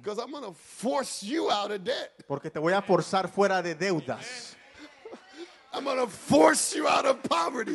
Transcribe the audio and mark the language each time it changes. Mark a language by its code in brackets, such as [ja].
[en] Because I'm going to force you out of debt. [es] Porque te voy a forzar fuera de deudas. [en] I'm going to force you out of poverty.